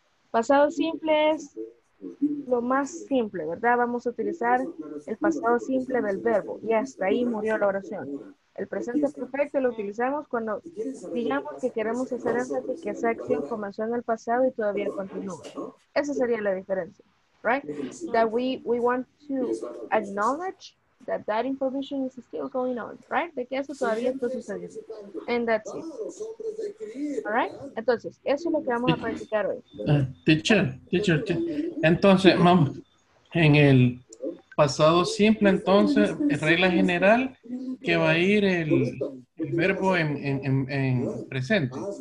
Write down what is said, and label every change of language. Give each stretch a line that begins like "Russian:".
Spanish: Pasado simple es lo más simple, ¿verdad? Vamos a utilizar el pasado simple del verbo y hasta ahí murió la oración. El presente perfecto lo utilizamos cuando digamos que queremos hacer énfasis que esa acción comenzó en el pasado y todavía continúa. Esa sería la diferencia, right?
English: That we want to acknowledge that that information is still going on, right?
Spanish: De que eso todavía está sucediendo.
English: And that's it. All right?
Spanish: Entonces, eso es lo que vamos a practicar hoy. Teacher. Entonces, vamos. En el pasado simple, entonces, regla general, que va a ir el verbo en presente.